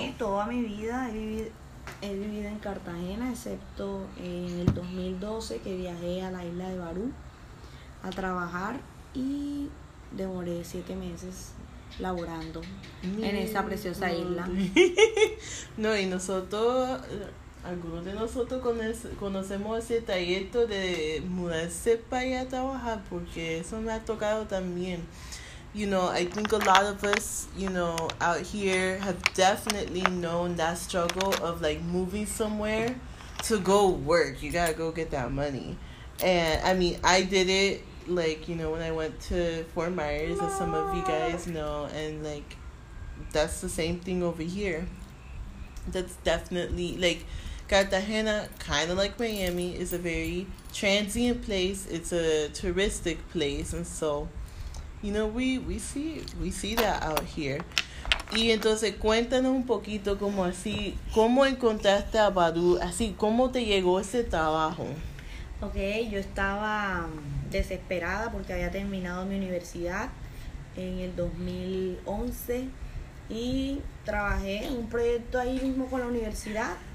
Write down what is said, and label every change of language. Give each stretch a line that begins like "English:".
Spanish: Sí, toda mi vida he vivido en Cartagena, excepto en el 2012 que viajé a la isla de Barú a trabajar y demoré 7 meses laborando en esa preciosa isla. No, y nosotros, algunos de nosotros conocemos ese trayecto de mudarse para ir a trabajar, porque eso me ha tocado también.
English: You know, I think a lot of us, you know, out here have definitely known that struggle of like moving somewhere to go work. You gotta go get that money. And I mean, I did it, like, you know, when I went to Fort Myers, as some of you guys know, and like, that's the same thing over here. That's definitely like, Cartagena, kind of like Miami, is a very transient place. It's a touristic place, and so, you know, we see that out here.
Spanish: Y entonces cuéntanos un poquito como así, ¿cómo encontraste a Badu? Así, ¿cómo te llegó ese trabajo? Okay, yo estaba desesperada porque había terminado mi universidad en el 2011 y trabajé en un proyecto ahí mismo con la universidad.